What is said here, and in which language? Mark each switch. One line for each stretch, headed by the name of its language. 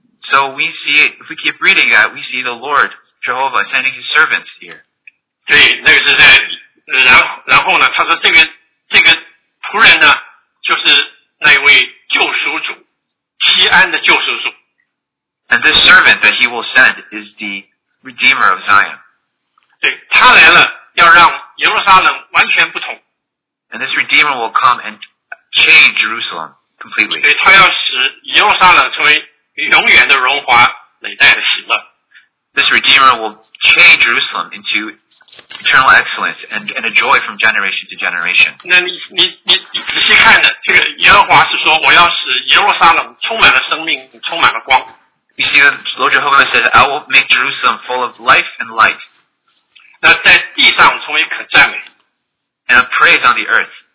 English: So we see, if we keep reading that, we see the Lord Jehovah sending his servants here.
Chinese: 对，那个是在然后呢，他说这个仆人呢，就是那位救赎主，西安的救赎主。
English: And this servant that he will send is the Redeemer of Zion.
Chinese: 对，他来了，要让耶路撒冷完全不同。
English: And this Redeemer will come and change Jerusalem completely.
Chinese: 对，他要使耶路撒冷成为永远的荣华、累代的喜乐。
English: This Redeemer will change Jerusalem into eternal excellence and a joy from generation to generation.
Chinese: 那你仔细看的这个耶和华是说， 我要使耶路撒冷充满了生命，充满了光。
English: You see, the Lord Jehovah says, I will make Jerusalem full of life and light.
Chinese: 那在地上成为可赞美。
English: And a praise on the earth.